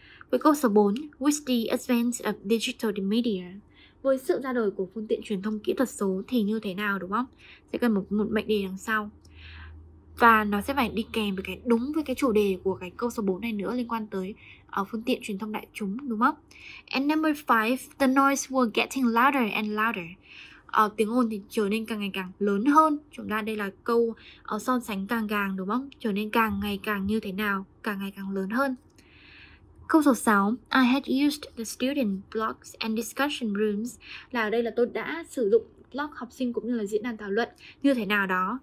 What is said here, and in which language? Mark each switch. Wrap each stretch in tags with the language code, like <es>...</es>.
<vi>Với câu số 4,</vi> <en>with the advance of digital media,</en> <vi>với sự ra đời của phương tiện truyền thông kỹ thuật số thì như thế nào đúng không? Sẽ cần một mệnh đề đằng sau. Và nó sẽ phải đi kèm với cái đúng với cái chủ đề của cái câu số 4 này nữa, liên quan tới phương tiện truyền thông đại chúng đúng không?</vi> <en>And number 5, the noise was getting louder and louder.</en> <vi>Tiếng ồn thì trở nên càng ngày càng lớn hơn. Chúng ta đây là câu so sánh càng đúng không? Trở nên càng ngày càng như thế nào, càng ngày càng lớn hơn. Câu số 6,</vi> <en>I had used the student blogs and discussion rooms,</en> <vi>là ở đây là tôi đã sử dụng blog học sinh cũng như là diễn đàn thảo luận như thế nào đó.</vi>